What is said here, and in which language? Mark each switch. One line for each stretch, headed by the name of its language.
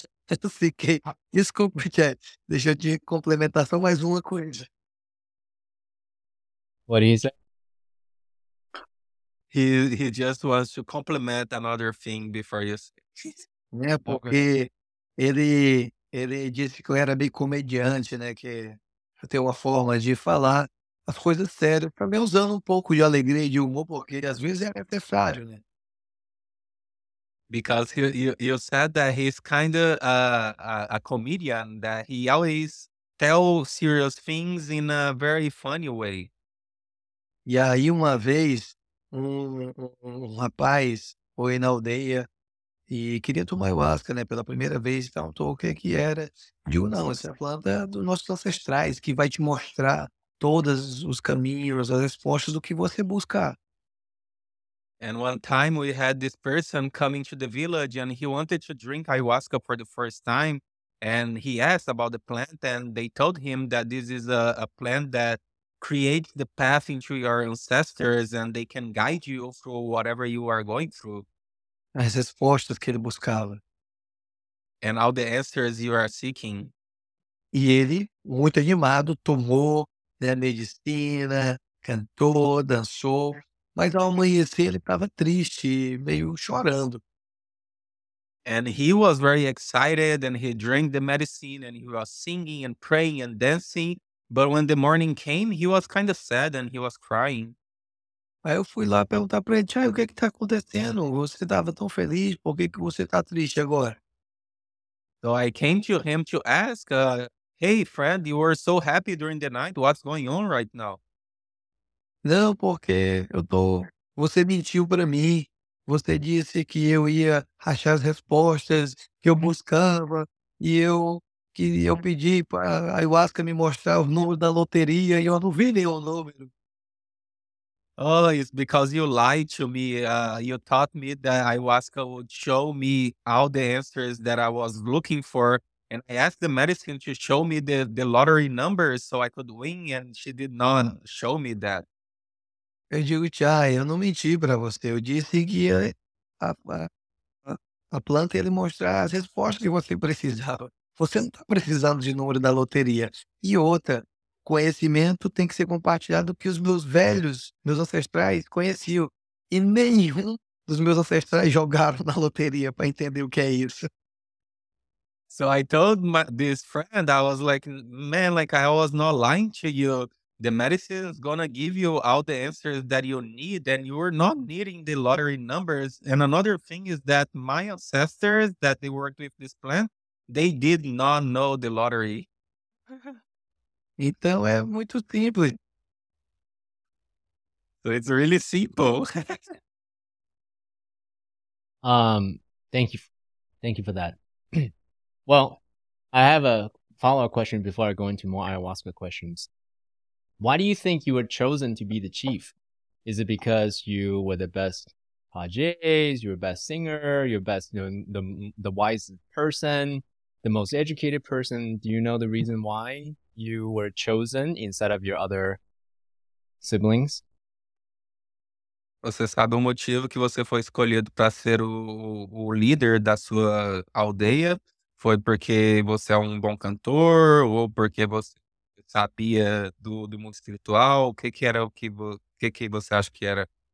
Portuguese: Eu fiquei, desculpe, Chet, deixa eu te complementar só mais uma coisa.
English: What is it? He just wants to complement another thing before you say.
Portuguese: É porque ele disse que eu era meio comediante, né, que eu tenho uma forma de falar as coisas sérias, também usando um pouco de alegria e de humor, porque às vezes é necessário, né?
English: Because you said that he's kind of a comedian, that he always tells serious things in a very funny way.
Portuguese: E aí uma vez, um rapaz foi na aldeia e queria tomar ayahuasca, né? Pela primeira vez, perguntou o que era. Digo, não, essa é a planta dos nossos ancestrais, que vai te mostrar todos os caminhos, as respostas do que você buscar.
English: And one time we had this person coming to the village and he wanted to drink ayahuasca for the first time. And he asked about the plant and they told him that this is a plant that creates the path into your ancestors and they can guide you through whatever you are going through.
Portuguese: As respostas que ele buscava.
English: And all the answers you are seeking.
Portuguese: E ele, muito animado, tomou a medicina, cantou, dançou. Mas ao amanhecer, ele estava triste, meio chorando.
English: And he was very excited and he drank the medicine and he was singing and praying and dancing. But when the morning came, he was kind of sad and he was crying.
Portuguese: Aí eu fui lá perguntar para ele, Chai, o que está acontecendo? Você estava tão feliz, por que você está triste agora?
English: So I came to him to ask, hey, friend, you were so happy during the night. What's going on right now?
Portuguese: Não, porque eu tô. Você mentiu para mim. Você disse que eu ia achar as respostas que eu buscava. E eu queria pedir para a ayahuasca me mostrar o número da loteria e eu não vi nenhum número.
English: Oh, it's because you lied to me. You taught me that ayahuasca would show me all the answers that I was looking for. And I asked the medicine to show me the lottery numbers so I could win, and she did not show me that.
Portuguese: Eu digo, Chai, eu não menti para você. Eu disse que a planta ia mostrar as respostas que você precisava. Você não está precisando de número da loteria. E outra, conhecimento tem que ser compartilhado que os meus velhos, meus ancestrais, conheciam. E nenhum dos meus ancestrais jogaram na loteria para entender o que é isso.
English: So I told this friend, I was like, man, like I was not lying to you. The medicine is going to give you all the answers that you need and you are not needing the lottery numbers. And another thing is that my ancestors that they worked with this plant, they did not know the lottery.
Portuguese: Então é muito simples.
English: So it's really simple. thank you for that. Well, I have a follow-up question before I go into more ayahuasca questions. Why do you think you were chosen to be the chief? Is it because you were the best pajés, your best singer, your best, you know, the wisest person, the most educated person? Do you know the reason why you were chosen instead of your other siblings?
Portuguese: Você sabe o motivo que você foi escolhido para ser o líder da sua aldeia? Foi porque você é um bom cantor ou porque você sabia do mundo espiritual? O que que era o que você acha que era?